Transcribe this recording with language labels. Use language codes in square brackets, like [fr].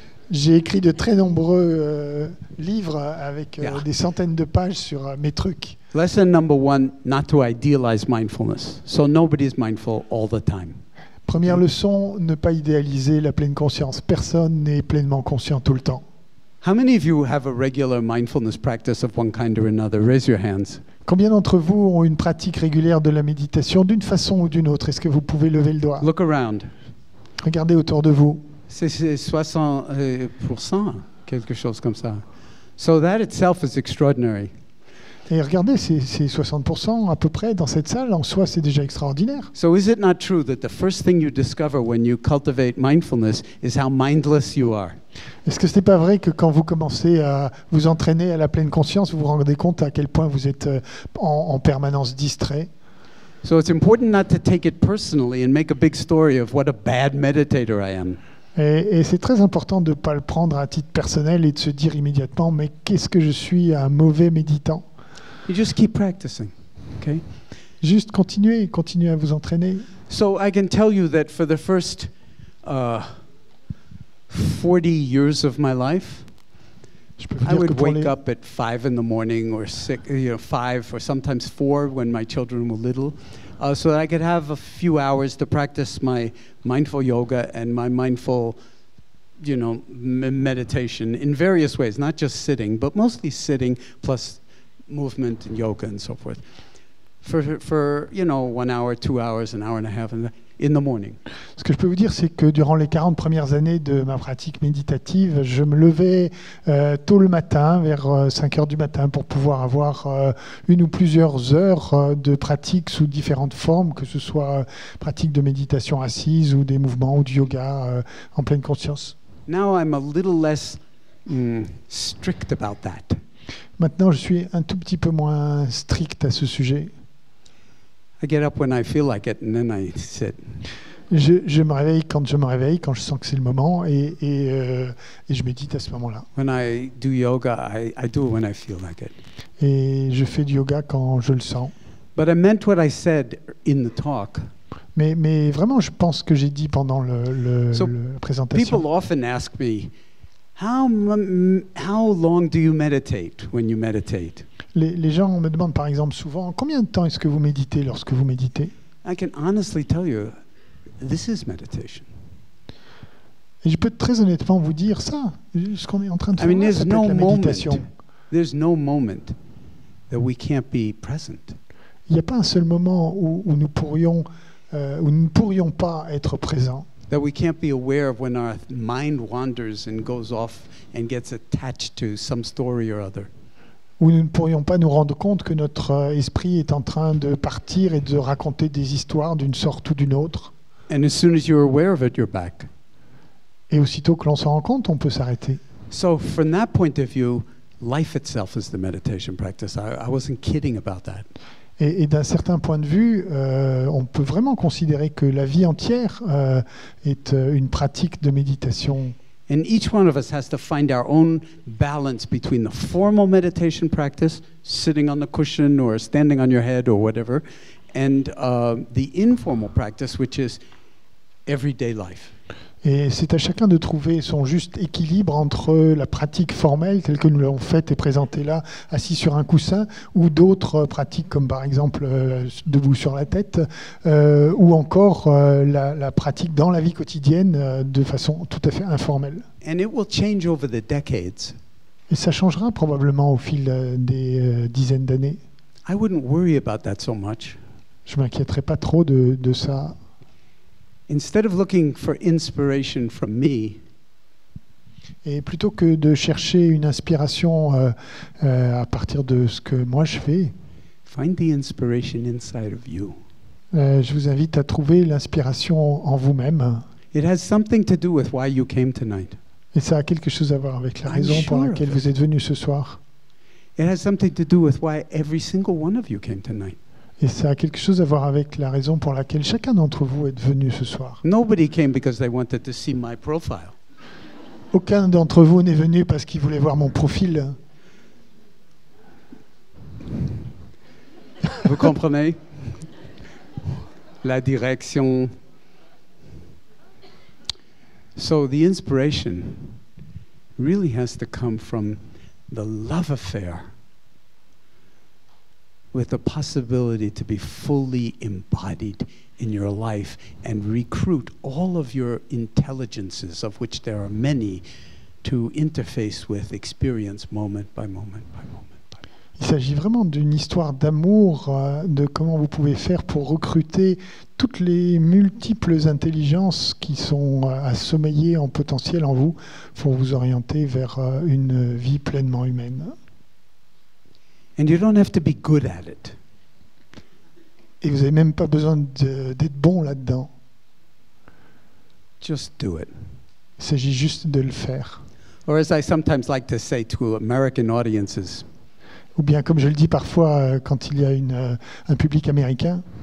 [fr] J'ai écrit de très nombreux livres avec des centaines de pages sur mes trucs. [en] Lesson number one, not to idealize mindfulness. So nobody's mindful all the time. [fr] Première leçon, ne pas idéaliser la pleine conscience. Personne n'est pleinement conscient tout le temps. [en] How many of you have a regular mindfulness practice of one kind or another? Raise your hands. [fr] Combien d'entre vous ont une pratique régulière de la méditation d'une façon ou d'une autre? Est-ce que vous pouvez lever le doigt? [en] Look around. [fr] Regardez autour de vous. C'est 60%, quelque chose comme ça. [en] So that itself is extraordinary. [fr] Et regardez, c'est 60% à peu près dans cette salle. En soi, c'est déjà extraordinaire. [en] So is it not true that the first thing you discover when you cultivate mindfulness is how mindless you are? [fr] Est-ce que ce n'est pas vrai que quand vous commencez à vous entraîner à la pleine conscience, vous vous rendez compte à quel point vous êtes en permanence distrait? [en] So it's important not to take it personally and make a big story of what a bad meditator I am. [fr] Et c'est très important de ne pas le prendre à titre personnel et de se dire immédiatement, mais qu'est-ce que je suis, un mauvais méditant? [en] You just keep practicing, okay? [fr] Juste continuez à vous entraîner. [en] So I can tell you that for the first 40 years of my life, I would wake up at 5 in the morning or 6, you know, 5 or sometimes 4 when my children were little, so that I could have a few hours to practice my mindful yoga and my mindful, you know, meditation in various ways, not just sitting, but mostly sitting plus movement and yoga and so forth, for you know, 1 hour, 2 hours, an hour and a half in the morning. [fr] Ce que je peux vous dire, c'est que durant les 40 premières années de ma pratique méditative, je me levais tôt le matin, vers 5 heures du matin, pour pouvoir avoir une ou plusieurs heures de pratique sous différentes formes, que ce soit pratique de méditation assise ou des mouvements ou du yoga en pleine conscience. [en] Now I'm a little less strict about that. [fr] Maintenant, je suis un tout petit peu moins strict à ce sujet. [en] I get up when I feel like it, and then I sit. [fr] Je me réveille quand je me réveille, quand je sens que c'est le moment, et je médite à ce moment-là. [en] When I do yoga, I do it when I feel like it. [fr] Et je fais du yoga quand je le sens. [en] But I meant what I said in the talk. [fr] Mais vraiment, je pense que j'ai dit pendant la présentation. [en] People often ask me, How long do you meditate when you meditate? [fr] Les gens me demandent par exemple souvent, combien de temps est-ce que vous méditez lorsque vous méditez? [en] I can honestly tell you, this is meditation. [fr] Et je peux très honnêtement vous dire ça, ce qu'on est en train de faire, c'est la méditation. [en] There's no moment that we can't be present. [fr] Il n'y a pas un seul moment où nous ne pourrions pas être présents. [en] That we can't be aware of when our mind wanders and goes off and gets attached to some story or other. [fr] Où nous ne pourrions pas nous rendre compte que notre esprit est en train de partir et de raconter des histoires d'une sorte ou d'une autre. [en] And as soon as you're aware of it, you're back. [fr] Et aussitôt que l'on s'en rend compte, on peut s'arrêter. [en] So from that point of view, life itself is the meditation practice. I wasn't kidding about that. [fr] Et d'un certain point de vue, on peut vraiment considérer que la vie entière est une pratique de méditation. [en] And each one of us has to find our own balance between the formal meditation practice, sitting on the cushion or standing on your head or whatever, and the informal practice, which is everyday life. [fr] Et c'est à chacun de trouver son juste équilibre entre la pratique formelle telle que nous l'avons faite et présentée là, assis sur un coussin, ou d'autres pratiques comme par exemple debout sur la tête, ou encore la pratique dans la vie quotidienne de façon tout à fait informelle. [en] And it will change over the decades. [fr] Et ça changera probablement au fil des dizaines d'années. [en] I wouldn't worry about that so much. [fr] Je ne m'inquiéterais pas trop de ça. [en] Instead of looking for inspiration from me, [fr] et plutôt que de chercher une inspiration à partir de ce que moi je fais, [en] find the inspiration inside of you. [fr] Je vous invite à trouver l'inspiration en vous-même. [en] It has something to do with why you came tonight. [fr] Et ça a quelque chose à voir avec la raison pour laquelle vous êtes venu ce soir. [en] It has something to do with why every single one of you came tonight. [fr] Et ça a quelque chose à voir avec la raison pour laquelle chacun d'entre vous est venu ce soir. [en] Nobody came because they wanted to see my profile. [fr] Aucun d'entre vous n'est venu parce qu'il voulait voir mon profil. Vous comprenez? La direction. [en] So the inspiration really has to come from the love affair with the possibility to be fully embodied in your life and recruit all of your intelligences, of which there are many, to interface with experience moment by moment by moment. [fr] Il s'agit vraiment d'une histoire d'amour, de comment vous pouvez faire pour recruter toutes les multiples intelligences qui sont assommeillées en potentiel en vous pour vous orienter vers une vie pleinement humaine. [en] And you don't have to be good at it. [fr] Et vous avez même pas besoin d'être bon là-dedans. [en] Just do it. [fr] Il s'agit juste de le faire. [en] Or as I sometimes like to say to American audiences. [fr] Ou bien comme je le dis parfois quand il y a un public américain.